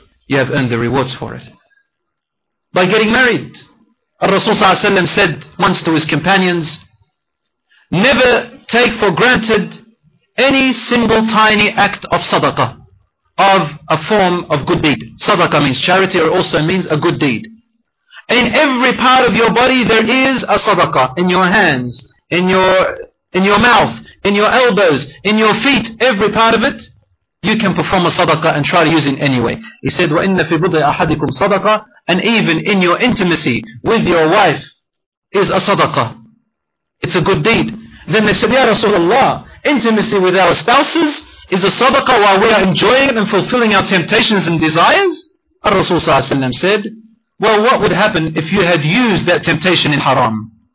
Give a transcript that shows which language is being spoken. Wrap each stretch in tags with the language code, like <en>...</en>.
<en>You have earned the rewards for it. By getting married, Rasul sallallahu alayhi wa sallam said once to his companions, never take for granted any single tiny act of sadaqah, of a form of good deed. Sadaqah means charity, or also means a good deed. In every part of your body there is a sadaqah, in your hands, in your mouth, in your elbows, in your feet, every part of it, you can perform a sadaqah and try to use it anyway. He said,</en> <ar>وَإِنَّ فِي بُضْعِ أَحَدِكُمْ صَدَقَةً.</ar> <en>And even in your intimacy with your wife is a sadaqah. It's a good deed. Then they said, Ya Rasulullah, intimacy with our spouses is a sadaqah while we are enjoying and fulfilling our temptations and desires. Rasul sallallahu alayhi wa sallam said, well, what would happen if you had used that temptation in haram?</en>